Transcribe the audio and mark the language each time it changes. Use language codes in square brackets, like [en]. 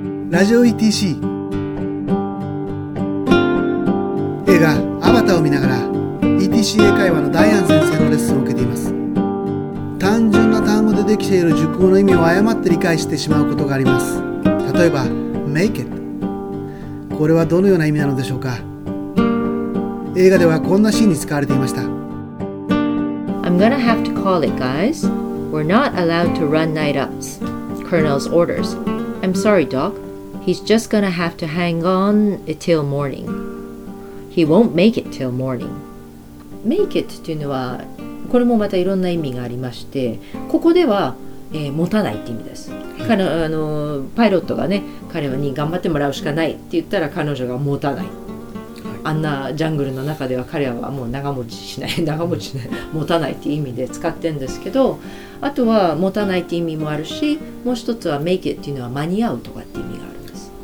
[ja] ラジオ ETC 映画アバターを見ながら ETC 英会話のダイアン先生のレッスンを受けています。単純な単語でできている熟語の意味を誤って理解してしまうことがあります。例えば Make it、 これはどのような意味なのでしょうか。映画ではこんなシーンに使われていました。 [en] I'm gonna have to call it, guys. We're not allowed to run night ups. Colonel's orders. I'm sorry, Doc. He's just gonna have to hang on till morning. He won't make it till morning. [ja] Make it っていうのはこれもまたいろんな意味がありまして、ここでは、持たないって意味です。彼あのパイロットがね、彼に頑張ってもらうしかないって言ったら彼女が持たない。あんなジャングルの中では彼らはもう長持ちしない、長持ちしない、持たないって意味で使ってるんですけど、あとは持たないって意味もあるし、もう一つは make it っていうのは間に合うとかって意味があるんです。